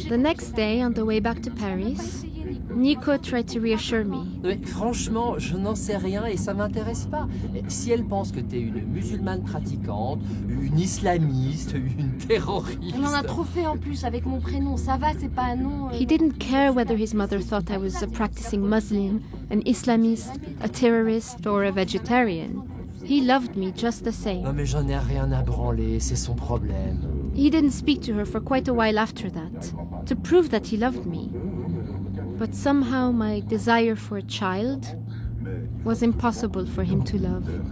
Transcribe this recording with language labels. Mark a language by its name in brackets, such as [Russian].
[English] The next day, on the way back to Paris, Nico tried to reassure me. [French] Mais franchement, je n'en sais rien et ça m'intéresse pas. Si elle pense que t'es une musulmane pratiquante, une islamiste, une terroriste. On en a trop fait en plus avec mon prénom. Ça va, c'est pas un nom. [English] He didn't care whether his mother thought I was a practicing Muslim, an Islamist, a terrorist or a vegetarian. He loved me just the same. [French] Non mais j'en ai rien à branler, c'est son problème. [English] He didn't speak to her for quite a while after that, to prove that he loved me. But somehow my desire for a child was impossible for him to love.